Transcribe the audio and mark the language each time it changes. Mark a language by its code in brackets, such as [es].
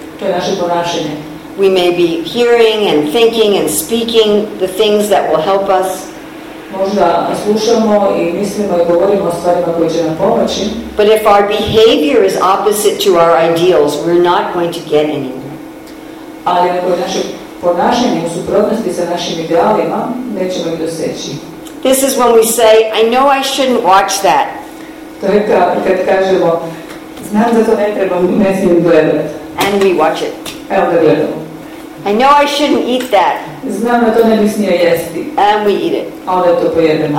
[hr] To je naše ponašanje. [en] We may be hearing and thinking and speaking the things that will help us. [hr] Možda slušamo i mislimo i govorimo o stvarima koje će nam pomoći. [en] But if our behavior is opposite to our ideals, we're not going to get anywhere. [hr] Ali ako naše ponašanje u suprotnosti sa našim idealima, nećemo ih doseći. [en] This is when we say, I know I shouldn't watch that. [hr] To je kad kažemo, znam da to ne trebam, ne smijem gledati. [en] And we watch it. [hr] Evo, [en] I know I shouldn't eat that. [hr] Znam da to ne bi smio jesti. [en] And we eat it. [hr] Onda to pojedemo.